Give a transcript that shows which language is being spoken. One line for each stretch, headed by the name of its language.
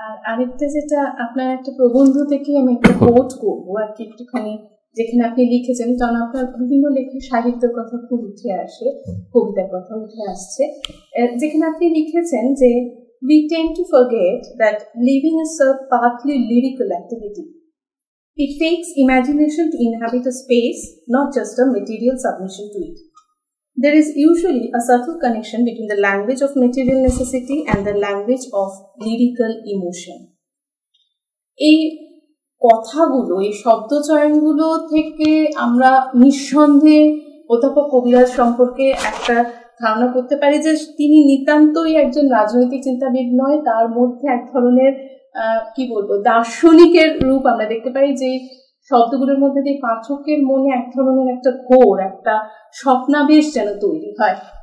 Bangla: আরেকটা যেটা আপনার একটা প্রবন্ধ থেকে আমি একটা কোট করবো আর কি একটুখানি, যেখানে আপনি লিখেছেন, কারণ আপনার বিভিন্ন লেখে সাহিত্যের কথা খুব উঠে আসে, কবিতার কথা উঠে আসছে, যেখানে আপনি লিখেছেন যে
English: we tend to forget that living is a partly lyrical activity. It takes imagination to inhabit a space, not just a material submission to it. There is usually a subtle connection between the language of material necessity and the language of lyrical emotion.
Bangla: এই কথাগুলো, এই শব্দচয়নগুলো থেকে আমরা নিঃসন্দেহে অধ্যাপক কবিরাজ সম্পর্কে একটা ধারণা করতে পারি যে তিনি নিতান্তই একজন রাজনৈতিক চিন্তাবিদ নয়, তার মধ্যে এক ধরনের কি বলবো দার্শনিকের রূপ আমরা দেখতে পাই, যে শব্দগুলোর মধ্যে দিয়ে পাঠকের মনে এক ধরনের একটা ঘোর, একটা স্বপ্নাবেশ যেন তৈরি হয়।